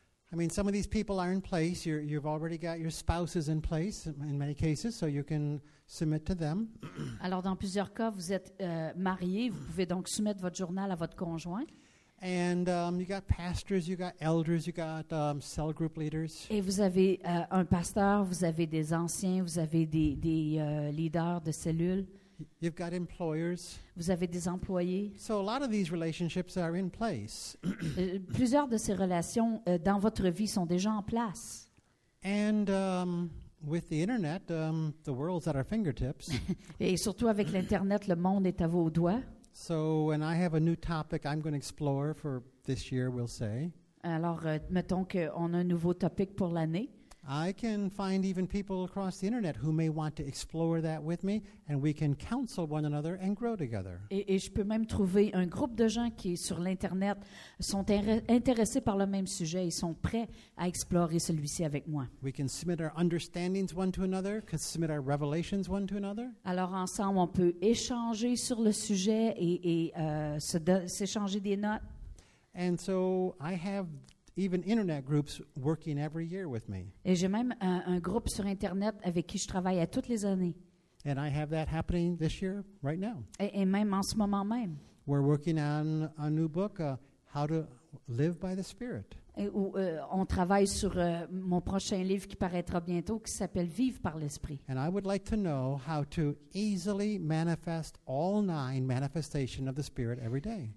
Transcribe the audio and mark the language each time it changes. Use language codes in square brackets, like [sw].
[en] I mean, some of these people are in place. You've already got your spouses in place in many cases, so you can submit to them. [fr] Alors, dans plusieurs cas, vous êtes mariés. Vous pouvez donc soumettre votre journal à votre conjoint. [en] And you got pastors, you got elders, you got cell group leaders. [fr] Et vous avez un pasteur, vous avez des anciens, vous avez des leaders de cellules. [en] You've got employers. [fr] Vous avez des employés. [en] So a lot of these relationships are in place. [fr] Plusieurs de ces relations dans votre vie sont déjà en place. [en] And with the internet, the world's at our fingertips. [fr] Et surtout avec l'internet, le monde est à vos doigts. [en] So when I have a new topic I'm going to explore for this year, we'll say. [fr] Alors, mettons qu'on a un nouveau topic pour l'année. [en] I can find even people across the internet who may want to explore that with me, and we can counsel one another and grow together. [fr] Et je peux même trouver un groupe de gens qui sur l'internet sont intéressés par le même sujet et sont prêts à explorer celui-ci avec moi. [en] We can submit our understandings one to another, can submit our revelations one to another. [fr] Alors ensemble, on peut échanger sur le sujet s'échanger des notes. [en] And so I have even internet groups working every year with me. [fr] Et j'ai même un groupe sur internet avec qui je travaille à toutes les années. [en] And I have that happening this year right now. [fr] Et même en ce moment même. [en] We're working on a new book, How to Live by the Spirit. [fr] Et où on travaille sur mon prochain livre qui paraîtra bientôt qui s'appelle Vivre par l'Esprit. [en] And I would like to know how to easily manifest all nine manifestations of the Spirit every day.